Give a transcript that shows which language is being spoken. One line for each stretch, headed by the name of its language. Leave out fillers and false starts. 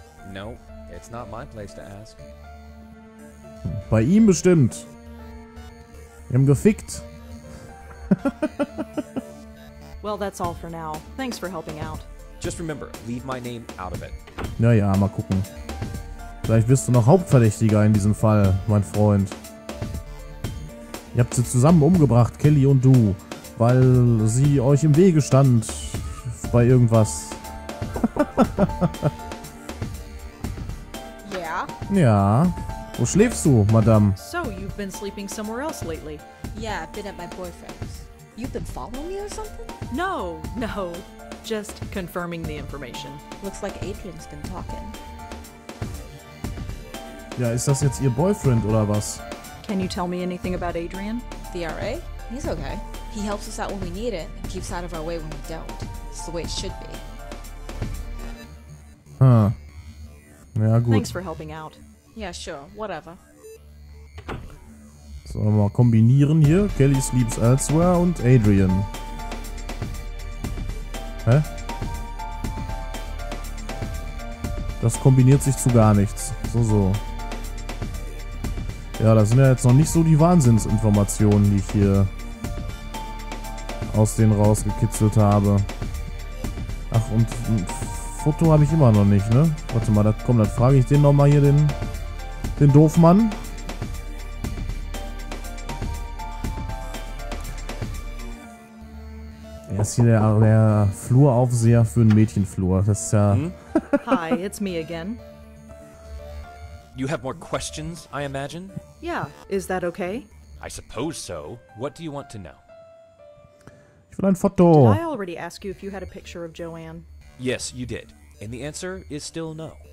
English: No, it's not my place to ask.
German: Bei ihm bestimmt. Wir haben gefickt.
English: Well, that's all for now. Thanks for helping out. Just remember, leave my name out of it.
German: Naja, mal gucken. Vielleicht wirst du noch Hauptverdächtiger in diesem Fall, mein Freund. Ihr habt sie zusammen umgebracht, Kelly und du, weil sie euch im Wege stand bei irgendwas.
English: Yeah?
German: Ja. Wo schläfst du, Madame?
English: So, you've been sleeping somewhere else lately. Yeah, I've been at my boyfriend's. You've been following me or something? No, no. Just confirming the information. Looks like Adrian's been talking.
German: Ja, ist das jetzt ihr Boyfriend oder was?
English: Can you tell me anything about Adrian? The RA? He's okay. He helps us out when we need it and keeps out of our way when we don't. It's the way it should be.
German: Huh. Ja, gut.
English: Thanks for helping out. Yeah, sure. Whatever.
German: Sollen wir mal kombinieren hier?
English: Kelly sleeps elsewhere
German: und Adrian. Hä? Das kombiniert sich zu gar nichts. So, so. Ja, das sind ja jetzt noch nicht so die Wahnsinnsinformationen, die ich hier aus denen rausgekitzelt habe. Ach, und ein Foto habe ich immer noch nicht, ne? Warte mal, das, komm, dann frage ich den nochmal hier, den Doofmann. Er ist hier der Fluraufseher für einen Mädchenflur. Das ist ja...
English: Hi, it's me again. You have more questions, I imagine? Yeah, is that okay? I suppose so. What do you want to know?
German: Ich will ein Foto.
English: Did I already ask you if you had a picture of Joanne? Yes, you did. And the answer is still no.